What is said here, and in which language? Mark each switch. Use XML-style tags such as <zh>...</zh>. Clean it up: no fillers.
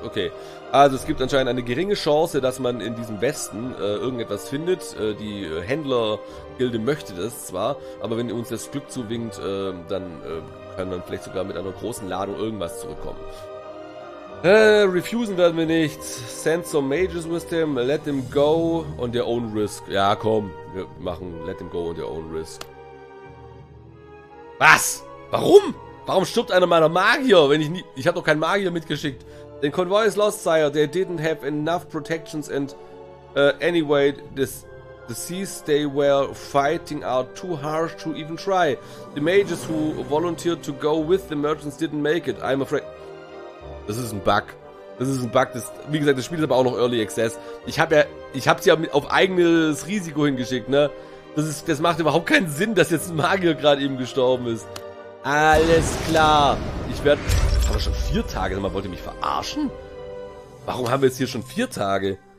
<de>Okay, also es gibt anscheinend eine geringe Chance, dass man in diesem Westen irgendetwas findet. Die Händler-Gilde möchte das zwar, aber wenn uns das Glück zuwinkt, dann kann man vielleicht sogar mit einer großen Ladung irgendwas zurückkommen. Refusen werden wir nicht.</de> <en>Send some mages with them, let them go on their own risk.</en> <de>Ja, komm, wir machen</de> <en>let them go on their own risk.</en> <de>Was? Warum? Warum stirbt einer meiner Magier, wenn ich nie... Ich hab doch keinen Magier mitgeschickt.</de> <en>The convoy is lost, sire. They didn't have enough protections and... anyway, the seas they were fighting are too harsh to even try. The mages who volunteered to go with the merchants didn't make it. I'm afraid...</en> <de>Das ist ein Bug. Das ist ein Bug. Das, wie gesagt, das Spiel ist aber auch noch Early Access. Ich hab's ja auf eigenes Risiko hingeschickt, ne? Das macht überhaupt keinen Sinn, dass jetzt ein Magier gerade eben gestorben ist. Alles klar. Ich werde. Aber schon 4 Tage? Man wollte mich verarschen? Warum haben wir jetzt hier schon 4 Tage?</de>